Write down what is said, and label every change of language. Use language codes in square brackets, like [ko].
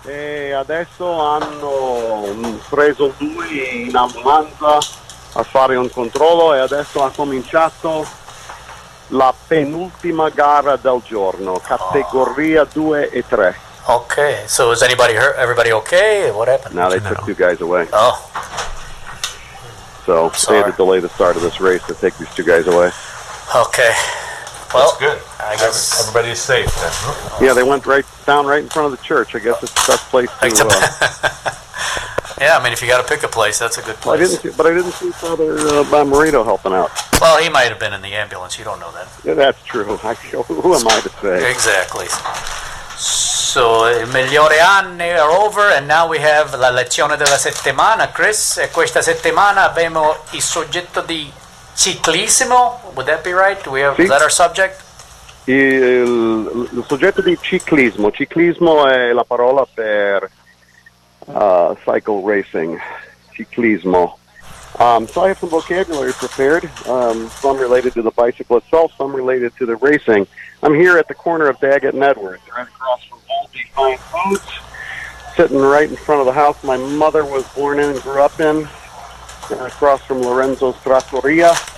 [it] E adesso hanno preso lui in ambulanza a fare un controllo e adesso ha cominciato la penultima gara del giorno, categoria 2 e 3. [en] Okay, so is anybody hurt? Everybody okay? What happened? Now they took two guys away. Oh. So they had to delay the start of this race to take these two guys away. Okay. Well, that's good. I guess everybody's safe then. Huh? Yeah, they went right down right in front of the church. I guess it's the best place to go. Yeah, I mean, if you got to pick a place, that's a good place. I didn't see Father Marino helping out. Well, he might have been in the ambulance. You don't know that. Yeah, that's true. Who am I to say? Exactly. So, I migliori anni are over, and now we have [it] la lezione della settimana, [en] Chris. [it] E questa settimana abbiamo il soggetto di ciclismo. [en] Would that be right? Do we have that our subject? [it] Il soggetto di ciclismo. Ciclismo è la parola per [en] cycle racing. [it] Ciclismo. [en] So I have some vocabulary prepared, some related to the bicycle itself, some related to the racing. I'm here at the corner of Daggett and Edwards, right across from Old Fine Foods, sitting right in front of the house my mother was born in and grew up in, across from Lorenzo's Trattoria.